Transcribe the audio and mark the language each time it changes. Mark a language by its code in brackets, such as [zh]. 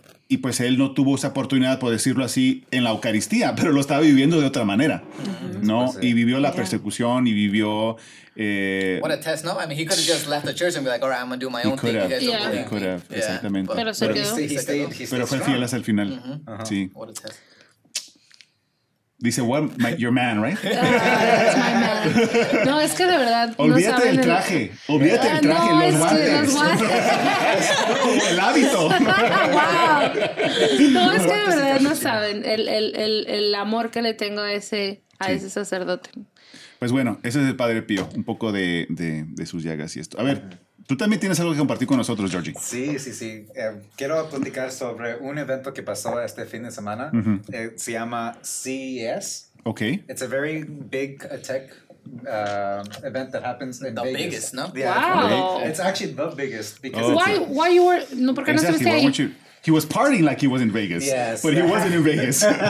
[es] Y pues él no tuvo esa oportunidad, por decirlo así, en la Eucaristía, pero lo estaba viviendo de otra manera, ¿no? Y vivió la persecución y vivió... [en] What a test, ¿no? I mean, he could have just left the church and be like, all right, I'm going to do my own thing. He could have. Exactamente. [es] Yeah. But, pero se quedó. Pero fue fiel hasta el final. Mm-hmm. Uh-huh. Sí. [en] What a test. Dice, what, your man, right? That's my man. [es] No, es que de verdad. Olvídate no del traje. Olvídate del traje. No, los guantes. El hábito. [en] Wow. [es] No, es que de verdad no saben el amor que le tengo a ese sacerdote. Pues bueno, ese es el Padre Pío. Un poco de sus llagas y esto. A ver, tú también tienes algo que compartir con nosotros, Georgie. Sí. Quiero platicar sobre un evento que pasó este fin de semana. Uh-huh. Se llama CES. [en] Okay. It's a very big tech event that happens in the Vegas. The biggest, ¿no? Yeah, wow. It's actually the biggest. Why you were... [es] No, porque [en] exactly, [es] no estuviste ahí. [en] Exactly, he was partying like he was in Vegas. Yes. But he wasn't in Vegas.